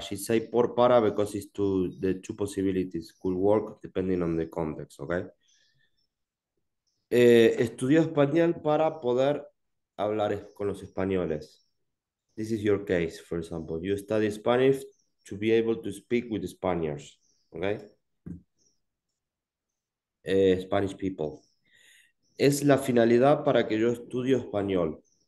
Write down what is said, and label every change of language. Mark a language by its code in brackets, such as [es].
[en] She say por para because it's two, the two possibilities could work depending on the context, okay? [es] Estudió español para poder hablar con los españoles. [en] This is your case, for example. You study Spanish to be able to speak with the Spaniards, Spanish people. [es] Es la finalidad para que yo estudio español.